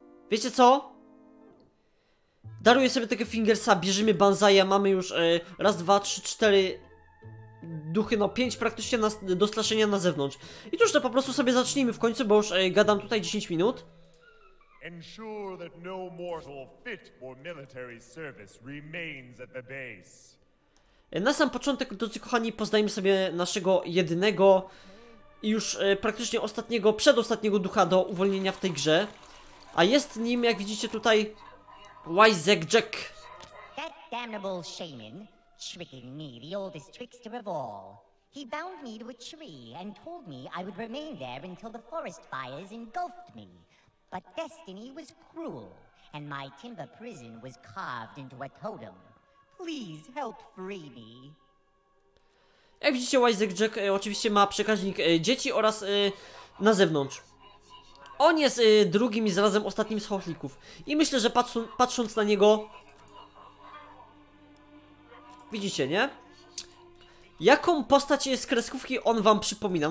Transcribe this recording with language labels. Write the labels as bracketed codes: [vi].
[pl] Wiecie co? Daruję sobie tego Fingersa, bierzemy Banzaja, mamy już raz, dwa, trzy, cztery duchy, no pięć praktycznie do straszenia na zewnątrz. I cóż, to po prostu sobie zacznijmy w końcu, bo już gadam tutaj 10 minut. [en] Ensure that no mortal fit for military service remains at the base. [pl] Na sam początek, drodzy kochani, poznajmy sobie naszego jedynego i już praktycznie ostatniego, przedostatniego ducha do uwolnienia w tej grze. A jest nim, jak widzicie tutaj, Wyzek Jack. [en] That damnable shaman tricking me, the oldest trickster of all. He bound me to a tree and told me I would remain there until the forest fires engulfed me. But destiny was cruel, and my timber prison was carved into a totem. Please help free me. [pl] Jak widzicie, Wyzek Jack oczywiście ma przekaźnik dzieci oraz na zewnątrz. On jest drugim i zarazem ostatnim z chochlików. I myślę, że patrząc na niego... Widzicie, nie? Jaką postać z kreskówki on wam przypomina?